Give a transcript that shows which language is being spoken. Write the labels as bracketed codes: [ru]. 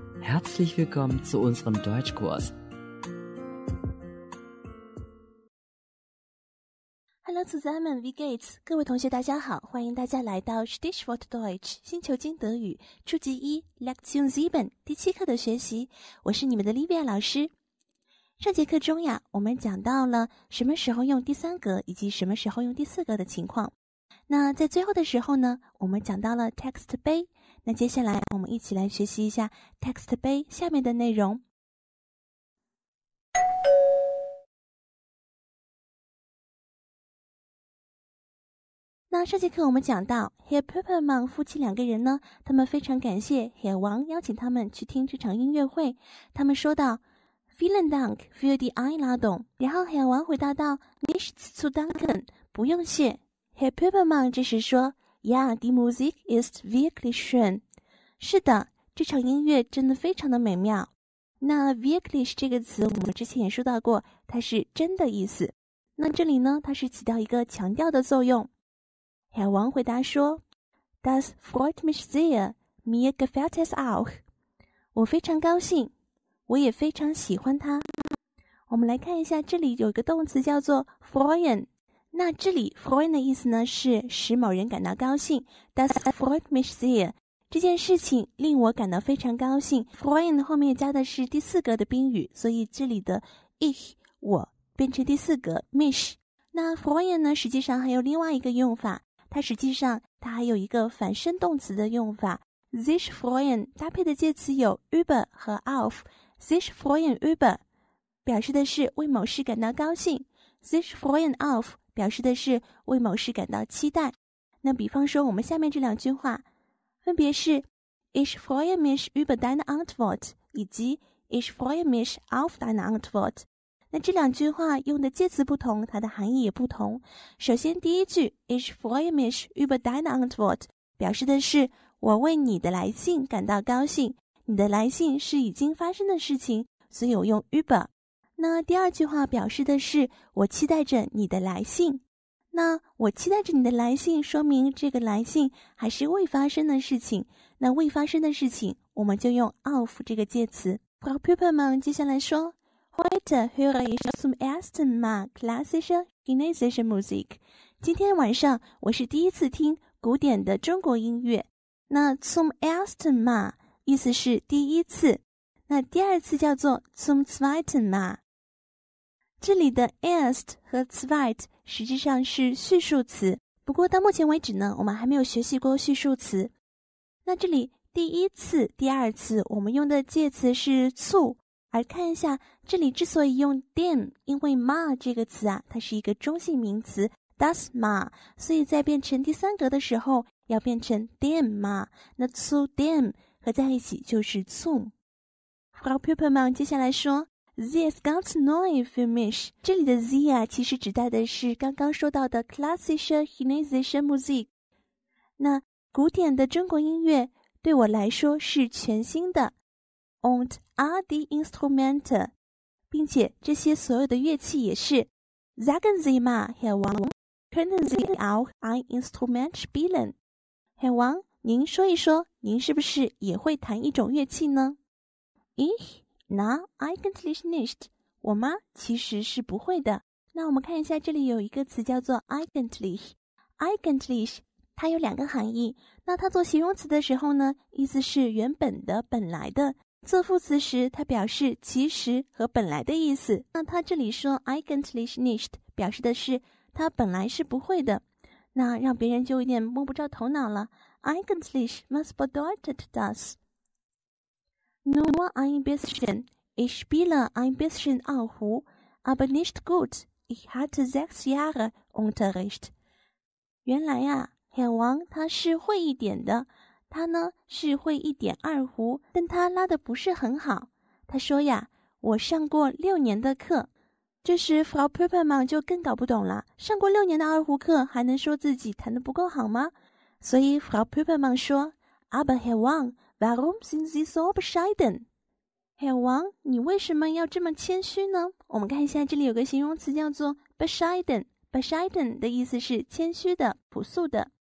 [de] Herzlich willkommen zu unserem Deutschkurs. Hallo zusammen, wie geht's? [zh] 各位同学大家好，欢迎大家来到 Stichwort Deutsch, 星球金德语，初级一 Lektion 7, 第七课的学习。我是你们的 Livia 老师。上节课中呀，我们讲到了什么时候用第三格以及什么时候用第四格的情况。那在最后的时候呢，我们讲到了 text 杯。那接下来我们一起来学习一下 text 杯下面的内容。那上节课我们讲到 Herr Pöppermann 夫妻两个人呢，他们非常感谢 Herr Wang 邀请他们去听这场音乐会。他们说到 [de] Vielen Dank für die Einladung， [zh] 然后 Herr Wang 回答到 [de] Nichts zu danken， [zh] 不用谢。 Herr Pöppermann 这时说 [de] Ja, die Musik ist wirklich schön， [zh] 是的，这场音乐真的非常的美妙。那 wirklich 这个词我们之前也说到过，它是真的意思。那这里呢，它是起到一个强调的作用。海王回答说 [de] Das freut mich sehr, mir gefällt es auch， [zh] 我非常高兴，我也非常喜欢它。我们来看一下，这里有一个动词叫做 freuen。那这里 freuen 的意思呢，是使某人感到高兴。 [de] Das freut mich sehr， [zh] 这件事情令我感到非常高兴。 freuen 后面加的是第四格的宾语，所以这里的 ich 我变成第四格 mich。那 freuen 呢，实际上还有另外一个用法，它实际上它还有一个反身动词的用法。 sich freuen 搭配的介词有 über 和 auf。 sich freuen über 表示的是为某事感到高兴， sich freuen auf表示的是为某事感到期待。那比方说我们下面这两句话分别是 [de] Ich freue mich über deine Antwort [zh] 以及 [de] Ich freue mich auf deine Antwort。 [zh] 那这两句话用的介词不同，它的含义也不同。首先第一句 [de] Ich freue mich über deine Antwort [zh] 表示的是我为你的来信感到高兴，你的来信是已经发生的事情，所以我用 über。那第二句话表示的是我期待着你的来信。那我期待着你的来信说明这个来信还是未发生的事情。那未发生的事情我们就用 auf 这个介词。 Frau Pöppermann 接下来说 [de] Heute höre ich zum ersten Mal klassische chinesische Musik。 [zh] 今天晚上我是第一次听古典的中国音乐。那 zum ersten Mal 意思是第一次，那第二次叫做 zum zweiten Mal。这里的 erst 和 zweit 实际上是序数词，不过到目前为止呢，我们还没有学习过序数词。那这里第一次第二次我们用的介词是 zu， 而看一下这里之所以用 dem， 因为 mal 这个词啊，它是一个中性名词 das mal， 所以在变成第三格的时候要变成 dem mal， 那 zu dem 合在一起就是 zum。 Frau Pöppermann 接下来说 [de] Sie ist ganz neu für mich， [zh] 这里的 Sie 啊其实指代的是刚刚说到的 [de] klassische chinesische Musik， [zh] 那古典的中国音乐对我来说是全新的。 [de] Und all die Instrumente， [zh] 并且这些所有的乐器也是。 [de] Sagen Sie mal Herr Wang， können Sie auch ein Instrument spielen？ [zh] Herr Wang， 您说一说，您是不是也会弹一种乐器呢？ [de] Ich? Na, eigentlich nicht. [zh] 我吗？其实是不会的。那我们看一下，这里有一个词叫做 eigentlich。eigentlich 它有两个含义。那它做形容词的时候呢，意思是原本的、本来的；做副词时，它表示其实和本来的意思。那它这里说 eigentlich nicht 表示的是它本来是不会的，那让别人就有点摸不着头脑了。 [de] eigentlich was bedeutet das? Nur ein bisschen. Ich spiele ein bisschen auch, aber nicht gut. Ich hatte 6 Jahre Unterricht. [zh] 原来呀，海王他是会一点的，他呢是会一点二胡，但他拉的不是很好。他说呀，我上过6年的课。这时 Frau Pöppermann 就更搞不懂了，上过6年的二胡课，还能说自己弹得不够好吗？所以 Frau Pöppermann 说 ， [de] Aber Herr Wang。 Warum sind Sie so bescheiden? [zh] Herr Wang, 你为什么要这么谦虚呢？我们看一下，这里有个形容词叫做 bescheiden。bescheiden 的意思是谦虚的、朴素的。